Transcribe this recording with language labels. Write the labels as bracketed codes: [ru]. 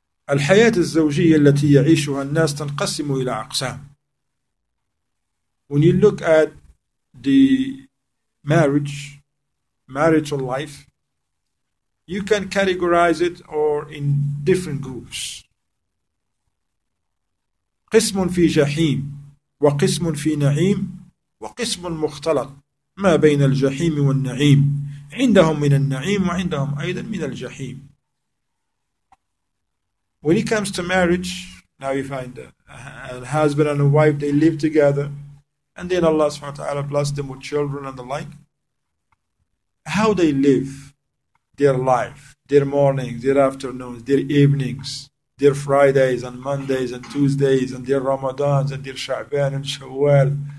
[ar] الحياة الزوجية التي يعيشها الناس تنقسم إلى أقسام. [en] When you look at the marriage, marital life, you can categorize it or in different groups. [ar] قسم في جحيم وقسم في نعيم وقسم مختلط ما بين الجحيم والنعيم. عندهم من النعيم وعندهم أيضا من الجحيم. [en] When it comes to marriage, now you find a husband and a wife, they live together, and then Allah subhanahu wa ta'ala blessed them with children and the like. How they live their life, their mornings, their afternoons, their evenings, their Fridays and Mondays and Tuesdays, and their Ramadans and their Sha'ban and Shawwal.